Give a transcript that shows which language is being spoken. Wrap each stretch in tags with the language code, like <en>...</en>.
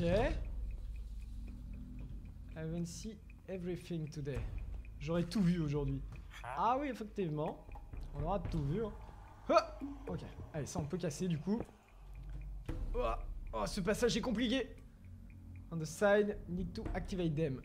<en>I haven't seen everything today.</en> <fr>J'aurais tout vu aujourd'hui. Ah oui, effectivement. On aura tout vu. Hein. Oh ok. Allez, ça, on peut casser, du coup. Oh, oh, ce passage est compliqué.</fr> <en>On the side, need to activate them.</en>